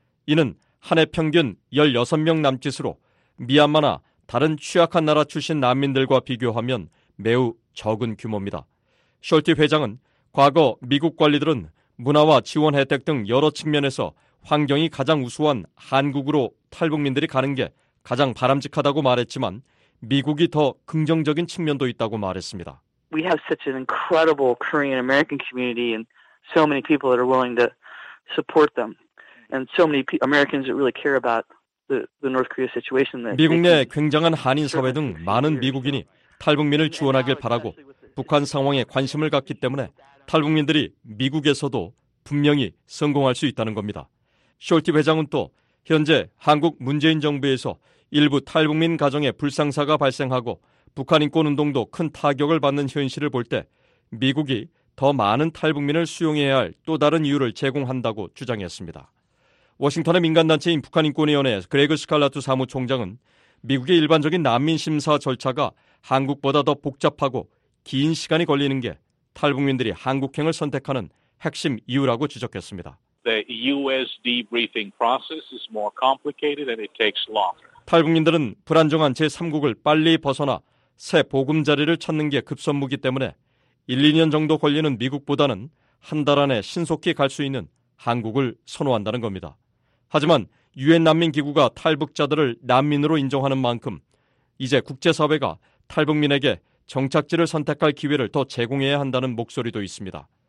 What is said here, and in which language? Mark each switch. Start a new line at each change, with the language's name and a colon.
Korean: 이는 한 해 평균 16명 남짓으로 미얀마나 다른 취약한 나라 출신 난민들과 비교하면 매우 적은 규모입니다. 숄티 회장은 과거 미국 관리들은 문화와 지원 혜택 등 여러 측면에서 환경이 가장 우수한 한국으로 탈북민들이 가는 게 가장 바람직하다고 말했지만 미국이 더 긍정적인 측면도 있다고 말했습니다.
English: We have such an incredible Korean American community and so many people that are willing to support them and so many Americans that really care about the North Korea situation.
Korean: 미국 내 굉장한 한인 사회 등 많은 미국인이 탈북민을 지원하길 바라고 북한 상황에 관심을 갖기 때문에 탈북민들이 미국에서도 분명히 성공할 수 있다는 겁니다. 숄티 회장은 또 현재 한국 문재인 정부에서 일부 탈북민 가정에 불상사가 발생하고 북한 인권운동도 큰 타격을 받는 현실을 볼 때 미국이 더 많은 탈북민을 수용해야 할 또 다른 이유를 제공한다고 주장했습니다. 워싱턴의 민간단체인 북한인권위원회 그레그 스칼라투 사무총장은 미국의 일반적인 난민 심사 절차가 한국보다 더 복잡하고 긴 시간이 걸리는 게 탈북민들이 한국행을 선택하는 핵심 이유라고 지적했습니다.
English: The U.S. debriefing process is more complicated and it takes longer.
Korean: 탈북민들은 불안정한 제3국을 빨리 벗어나 새 보금자리를 찾는 게 급선무기 때문에 1, 2년 정도 걸리는 미국보다는 한 달 안에 신속히 갈 수 있는 한국을 선호한다는 겁니다. 하지만 유엔 난민기구가 탈북자들을 난민으로 인정하는 만큼 이제 국제사회가 탈북민에게 정착지를 선택할 기회를 더 제공해야 한다는 목소리도 있습니다.